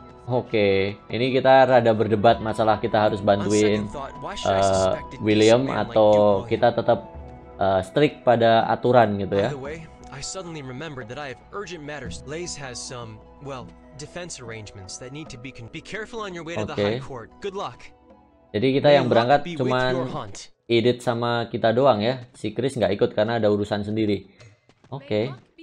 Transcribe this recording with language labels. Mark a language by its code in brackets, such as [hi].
[id] Okay, ini kita rada berdebat masalah kita harus bantuin William atau kita tetap strict pada aturan gitu ya. [en] I suddenly remembered that I have urgent matters. Lays has some, well, defense arrangements that need to be be careful on your way to the High Court. Good luck. [id] Jadi kita yang berangkat cuman Edith sama kita doang ya. Si Chris nggak ikut karena ada urusan sendiri. Oke.